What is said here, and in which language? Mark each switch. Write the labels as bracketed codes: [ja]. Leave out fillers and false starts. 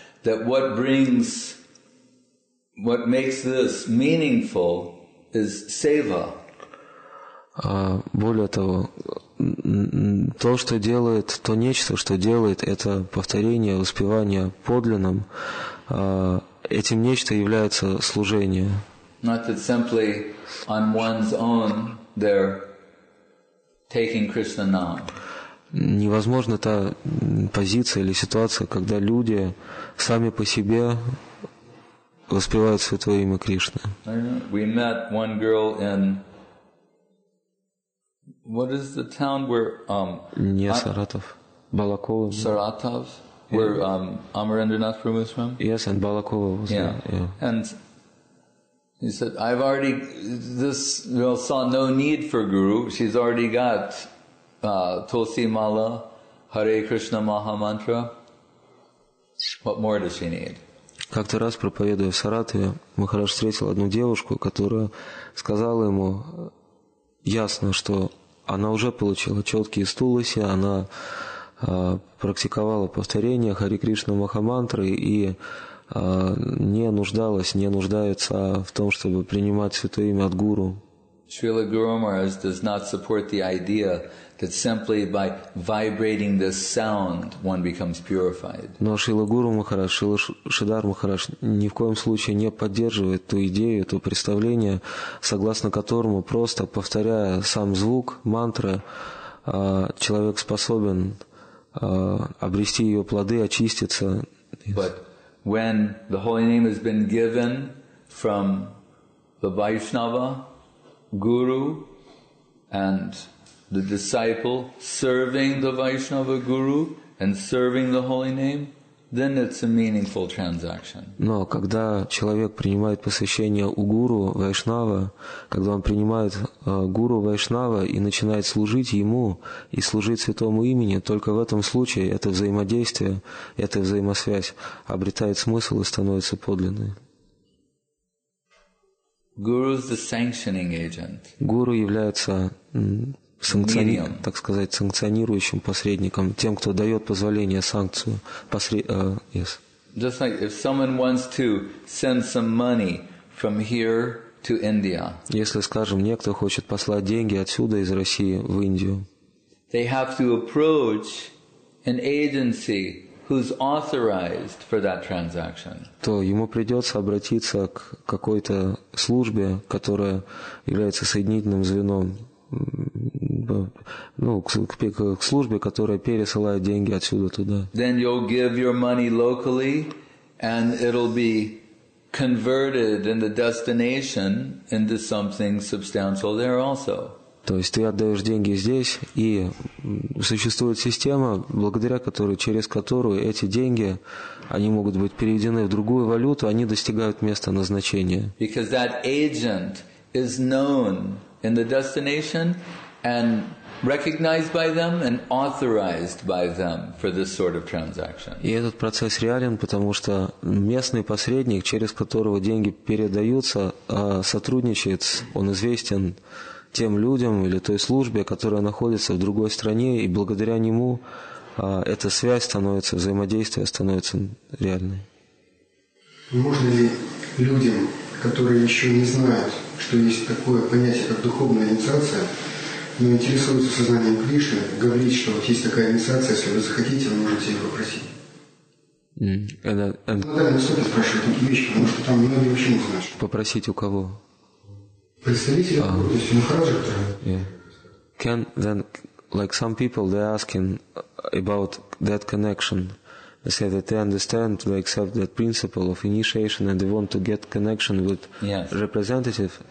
[en] That what makes this meaningful is seva. [ru] Более того, то, что делает, то нечто, что делает, это повторение, успевание подлинным, этим нечто является служение. [en] Not that simply on one's own they're taking Krishna nam. [ru] невозможна та позиция или ситуация, когда люди сами по себе воспевают Святое Имя Кришны. [en] We met one girl in... What is the town where... [ru] Не Саратов. Балаково. [en] Саратов, where Amarendranath Prabhu is from? Yes, and Балаково was there. And he said, I've already... This girl saw no need for Guru. She's already got Tulsi Mala, Hare Krishna Maha Mantra. What more does she need? [ru] Как-то раз, проповедуя в Саратове, Махарадж встретил одну девушку, которая сказала ему ясно, что она уже получила четкие стулоси, она практиковала повторение Хари Кришна Махамантры и не нуждалась, не нуждается в том, чтобы принимать Святое Имя от Гуру. [en] Шрила Гуру Махарадж does not support the idea that simply by vibrating this sound one becomes purified. [ru] Но Шрила Гуру Махарадж, Шрила Шридхар Махарадж ни в коем случае не поддерживает ту идею, то представление, согласно которому просто повторяя сам звук мантры, человек способен обрести ее плоды, очиститься. [en] But when the holy name has been given from the Vaishnava Guru and the disciple serving the Vaishnava Guru and serving the holy name, then it's a meaningful transaction. [ru] Но когда человек принимает посвящение у Гуру Вайшнава, когда он принимает Гуру Вайшнава и начинает служить ему и служить Святому Имени, только в этом случае это взаимодействие, эта взаимосвязь обретает смысл и становится подлинной. [en] Guru is the sanctioning agent. [ru] Гуру является санкционирующим посредником, тем, кто дает позволение, санкцию. [en] Just like if someone wants to send some money from here to India. [ru] Если, скажем, некто хочет послать деньги отсюда из России в Индию. [en] They have to approach an agency who's authorized for that transaction. [ru] То ему придется обратиться к какой-то службе, которая является соединительным звеном, к службе, которая пересылает деньги отсюда туда. [en] Then you'll give your money locally, and it'll be converted in the destination into something substantial there also. [ru] То есть ты отдаешь деньги здесь, и существует система, благодаря которой, через которую эти деньги, они могут быть переведены в другую валюту, они достигают места назначения. [en] Because that agent is known in the destination and recognized by them and authorized by them for this sort of transaction. [ru] И этот процесс реален, потому что местный посредник, через которого деньги передаются, сотрудничает, он известен тем людям или той службе, которая находится в другой стране, и благодаря нему эта связь становится, взаимодействие становится реальной. Можно ли людям, которые еще не знают, что есть такое понятие, как духовная инициация, но интересуются сознанием Кришны, говорить, что вот есть такая инициация, если вы захотите, вы можете ее попросить? На данном случае спрашивают такие вещи, потому что там многие вообще не знают. Попросить у кого? Представители Махараджа. [en] Yeah. Can then, like some people, they're asking about that connection. They say that they understand, they accept that principle of initiation and they want to get connection with representative.